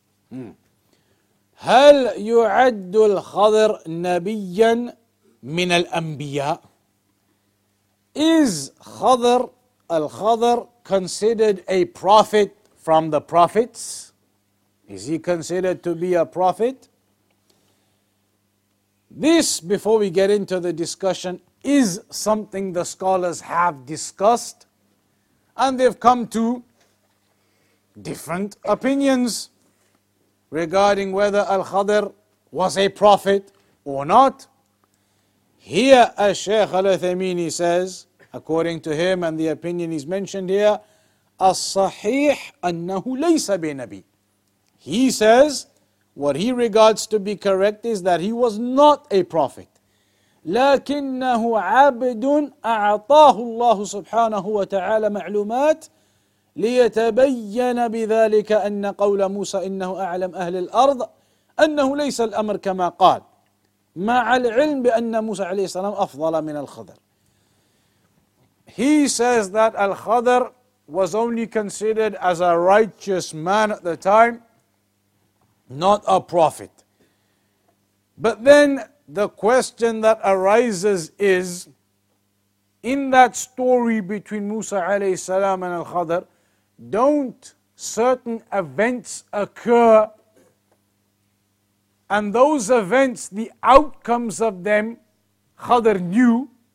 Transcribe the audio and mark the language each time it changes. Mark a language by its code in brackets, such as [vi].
[ar] هل يعد الخضر نبيا من الأنبياء? [en] Is Khadr al-Khadr considered a prophet from the prophets? Is he considered to be a prophet? This, before we get into the discussion, is something the scholars have discussed, and they've come to different opinions regarding whether Al-Khadr was a prophet or not. Here, as Shaykh Al-Uthaymeen says, according to him and the opinion he's mentioned here, [ar] الصحيح أنه ليس بنبي. [en] He says, what he regards to be correct is that he was not a prophet. [ar] لكنه عبد أعطاه الله سبحانه وتعالى معلومات ليتبين بذلك أن قول موسى إنه أعلم أهل الأرض أنه ليس الأمر كما قال مع العلم بأن موسى عليه السلام أفضل من الخضر. [en] He says that Al-Khadr was only considered as a righteous man at the time, not a prophet. But then the question that arises is, in that story between Musa alayhi salam and Al-Khadr, don't certain events occur, and those events, the outcomes of them, Khadr knew?